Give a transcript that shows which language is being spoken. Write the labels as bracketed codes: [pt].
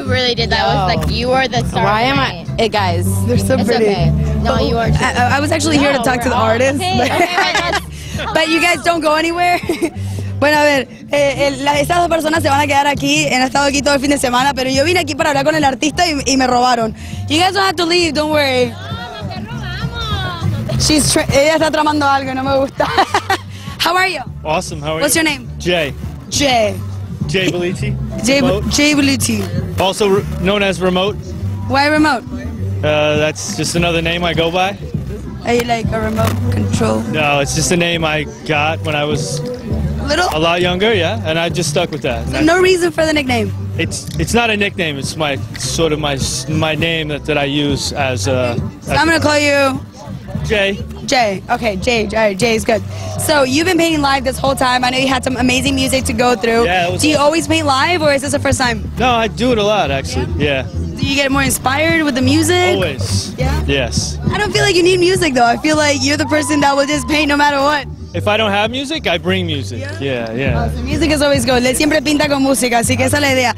[en] You really did that. It was like, you are the star. Why am I... Hey, guys. They're so pretty. It's okay. No, you are too. I was actually here to talk to the artist. Okay, but you guys don't go anywhere. [es] Bueno, a ver, estas dos personas se van a quedar aquí, han estado aquí todo el fin de semana, pero yo vine aquí para hablar con el artista y me robaron. [en] You guys don't have to leave, don't worry. [es] No, no te robamos. Ella está tramando algo, no me gusta. [en] How are you? Awesome, how are What's you? What's your name? Jay. Jay. Jay Belitti. Jay Belitti. Also known as Remote. Why Remote? That's just another name I go by. Are you like a remote control? No, it's just a name I got when I was... Little? A lot younger, yeah, and I just stuck with that. So no reason for the nickname. It's not a nickname. It's my sort of my name that I use as a. Okay. So I'm gonna call you Jay. Jay, okay, Jay. All right, Jay is good. So you've been painting live this whole time. I know you had some amazing music to go through. Yeah, it was do you always paint live, or is this the first time? No, I do it a lot, actually. Yeah. Do you get more inspired with the music? Always. Yeah. Yes. I don't feel like you need music though. I feel like you're the person that will just paint no matter what. If I don't have music, I bring music. Yeah. Awesome. Music is always good. [es] Le siempre pinta con música, así que esa es la idea.